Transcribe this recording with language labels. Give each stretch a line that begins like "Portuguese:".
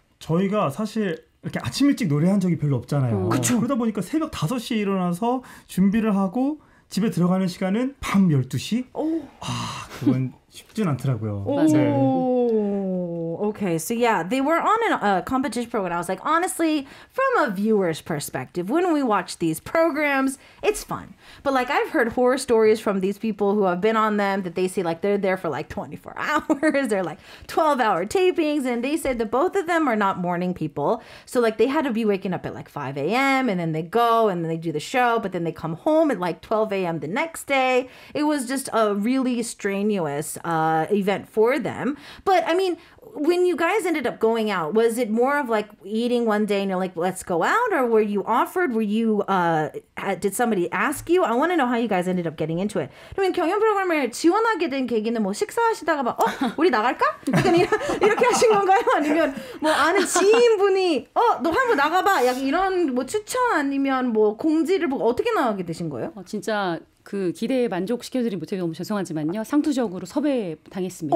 Korean: 저희가 사실 이렇게 아침 일찍 노래한 적이 별로 없잖아요 그쵸? 그러다 보니까 새벽 5시에 일어나서 준비를 하고 집에 들어가는 시간은 밤 12시? 오. 아, 그건 쉽진 않더라고요. 맞아요. 네.
English: Okay, so yeah, they were on a competition program. I was like, honestly, from a viewer's perspective, when we watch these programs, it's fun. But like, I've heard horror stories from these people who have been on them that they say like they're there for like 24 hours. They're like 12-hour tapings. And they said that both of them are not morning people. So like they had to be waking up at like 5 a.m. and then they go and then they do the show. But then they come home at like 12 a.m. the next day. It was just a really strenuous event for them. But I mean, when you guys ended up going out, was it more of like eating one day and you're like, let's go out? Or were you offered? Were you, did somebody ask you? I want to know how you guys ended up getting into it. I mean,
Korean: 경연 프로그램을 지원하게 된 계기는 뭐 식사하시다가 막, 우리 나갈까? 약간 이렇게 하신 건가요? 아니면 뭐 아는 지인분이, 너 한번 나가봐. 약간 이런 뭐 추천 아니면 뭐 공지를 보고 어떻게 나가게 되신 거예요? 진짜 그 기대에 만족시켜드리지 못해서 너무 죄송하지만요. 상투적으로 섭외당했습니다.